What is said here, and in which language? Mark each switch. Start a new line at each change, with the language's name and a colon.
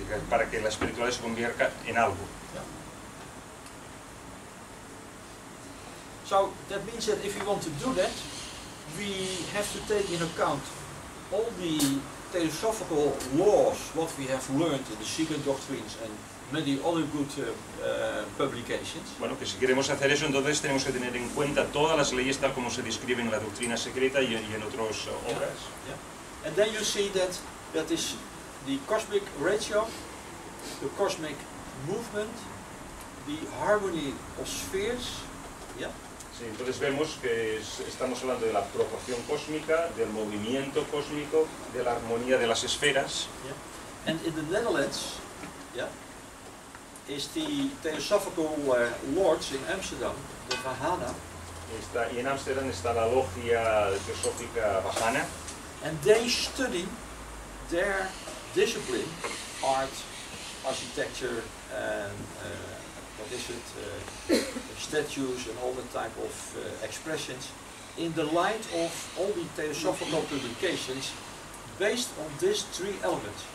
Spanish: Para que la espiritualidad se convierta en algo.
English: Yeah. So that means that if we want to do that, we have to take in account all the theosophical laws what we have learned in the secret doctrines and many other good publications.
Spanish: Bueno, que si queremos hacer eso, entonces tenemos que tener en cuenta todas las leyes tal como se describen en la doctrina secreta y en otras obras.
English: Yeah. And then you see that that is the cosmic ratio, the cosmic movement, the harmony of spheres. Yeah.
Spanish: Sí, entonces vemos que estamos hablando de la proporción cósmica, del movimiento cósmico, de la armonía de las esferas.
English: Yeah. And in the Netherlands, yeah, is the Theosophical Lodge in Amsterdam, the Vahana.
Spanish: Está, y en Amsterdam está la logia teosófica Vahana.
English: And they study their discipline, art, architecture, and what is it, statues and all the type of expressions, in the light of all the Theosophical publications, based on these three elements.